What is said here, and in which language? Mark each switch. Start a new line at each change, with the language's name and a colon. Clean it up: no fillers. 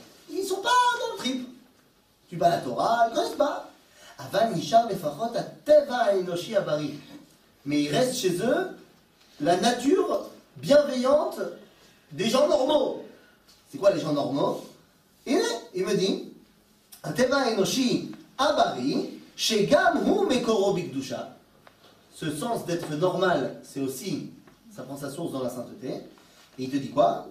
French: Ils ne sont pas dans le trip. Tu vas à la Torah, ils ne connaissent pas.
Hebrew: אבל נשאר לפחות הטבע האנושי הבריא.
French: Mais il reste chez eux la nature bienveillante des gens normaux. C'est quoi les gens normaux? Il me dit,
Hebrew: הטבע האנושי Abari, shegam hu mekoro bikdusha.
French: Ce sens d'être normal, c'est aussi, ça prend sa source dans la sainteté. Et il te dit quoi?